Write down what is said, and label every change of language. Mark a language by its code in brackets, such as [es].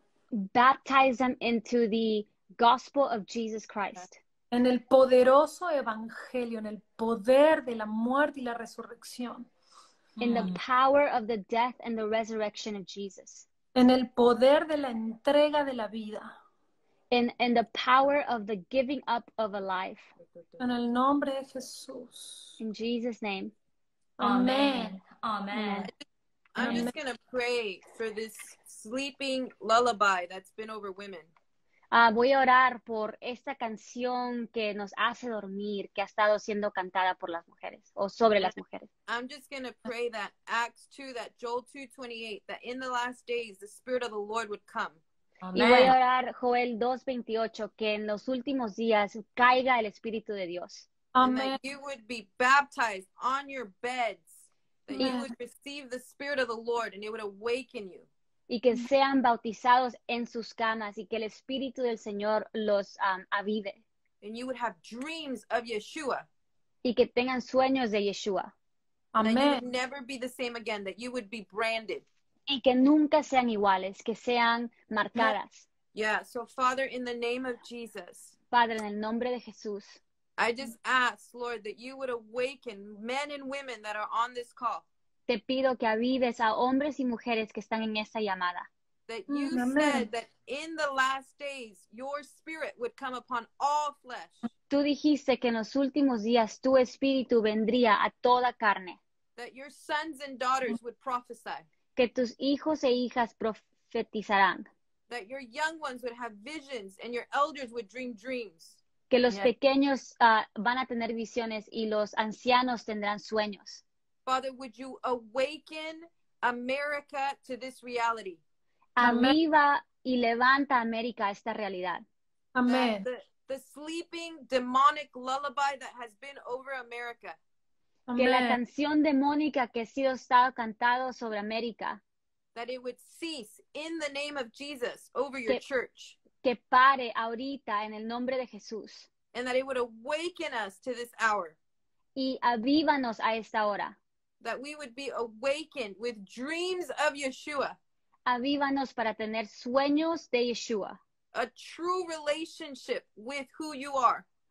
[en] Baptize them into the gospel of Jesus Christ. [es] En el poderoso Evangelio, en el poder de la muerte y la resurrección. [en] In the power of the death and the resurrection of Jesus. [es] En el poder de la entrega de la vida. [en] In the power of the giving up of a life. [es] En el nombre de Jesús. [en] In Jesus' name. Amen. Amen. I'm just going to pray for this sleeping lullaby that's been over women. [es] Voy a orar por esta canción que nos hace dormir, que ha estado siendo cantada por las mujeres, o sobre las mujeres. [en] I'm just going to pray that Acts 2, that Joel 2:28, that in the last days the Spirit of the Lord would come. [es] Amen. Y voy a orar Joel 2:28, que en los últimos días caiga el Espíritu de Dios. [en] Amen. And that you would be baptized on your beds, that Amen. You would receive the Spirit of the Lord and it would awaken you. [es] Y que sean bautizados en sus camas y que el Espíritu del Señor los avive. [en] And you would have dreams of Yeshua. [es] Y que tengan sueños de Yeshua. [en] Amen. That you would never be the same again, that you would be branded. [es] Y que nunca sean iguales, que sean marcadas. [en] Yeah, so Father, in the name of Jesus. [es] Padre, en el nombre de Jesús. [en] I just ask, Lord, that you would awaken men and women that are on this call. [es] Te pido que avives a hombres y mujeres que están en esta llamada. [en] That you Amen. Said that in the last days, your spirit would come upon all flesh. [es] Tú dijiste que en los últimos días tu espíritu vendría a toda carne. [en] That your sons and daughters would prophesy. [es] Que tus hijos e hijas profetizarán. [en] That your young ones would have visions and your elders would dream dreams. [es] Que los [en] Yes. [es] pequeños van a tener visiones y los ancianos tendrán sueños. [en] Father, would you awaken America to this reality? [es] Aviva y levanta América a esta realidad. [en] Amen. The sleeping demonic lullaby that has been over America. Amen. [es] Que la canción demónica que ha sido estado cantado sobre América. [en] That it would cease in the name of Jesus over your church. [es] Que pare ahorita en el nombre de Jesús. [en] And that it would awaken us to this hour. [es] Y avívanos a esta hora. [en] That we would be awakened with dreams of Yeshua. [es] Avívanos para tener sueños de Yeshua. [en] A true relationship with who you are.